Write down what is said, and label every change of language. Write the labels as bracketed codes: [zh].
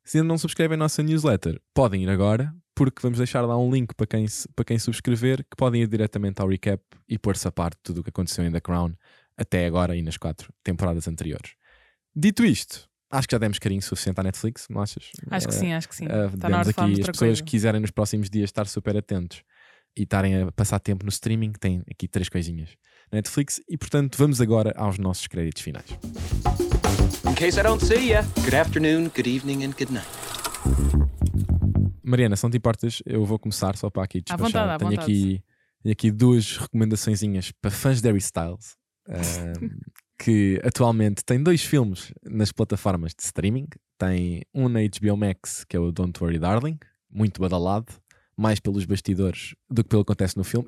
[pt] Se ainda não subscrevem a nossa newsletter, podem ir agora, porque vamos deixar lá um link para quem subscrever, que podem ir diretamente ao recap e pôr-se a parte de tudo o que aconteceu em The Crown até agora e nas 4 temporadas anteriores. Dito isto, Acho que já demos carinho suficiente à Netflix, não achas? Acho que sim, acho que sim. Demos aqui as pessoas que quiserem nos próximos dias estar super atentos e estarem a passar tempo no streaming, têm aqui três coisinhas. Netflix, e portanto vamos agora aos nossos créditos finais. [en] In case I don't see ya, good afternoon, good evening and good night. [pt] Mariana, se não te importas, eu vou começar só para aqui despachar. À vontade, à tenho, aqui, tenho aqui duas recomendaçõezinhas para fãs de Harry Styles. Que atualmente tem dois filmes nas plataformas de streaming. Tem um na HBO Max, que é o Don't Worry Darling, muito badalado, mais pelos bastidores do que pelo que acontece no filme.